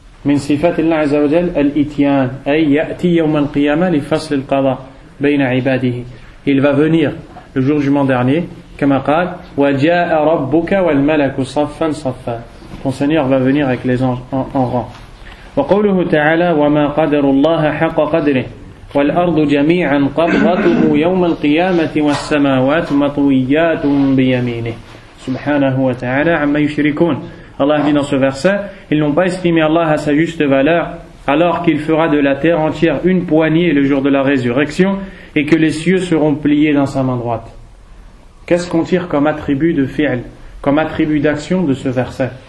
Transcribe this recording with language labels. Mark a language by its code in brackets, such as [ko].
[ar] من صفات الله عز وجل الإتيان أي يأتي يوم القيامة لفصل القضاء بين عباده. [fr] Il va venir le jour du jugement dernier [ar] كما قال وجاء ربك والملك صفا صفا. [fr] Ton Seigneur va venir avec les anges en rang. [ar] وقوله تعالى وما قدر الله حق قدره والأرض جميعا قبضته يوم القيامة والسماوات مطويات بيمينه سبحانه وتعالى عما يشركون. [fr] Allah dit dans ce verset, ils n'ont pas estimé Allah à sa juste valeur, alors qu'il fera de la terre entière une poignée le jour de la résurrection, et que les cieux seront pliés dans sa main droite. Qu'est-ce qu'on tire comme attribut de fi'l, comme attribut d'action de ce verset?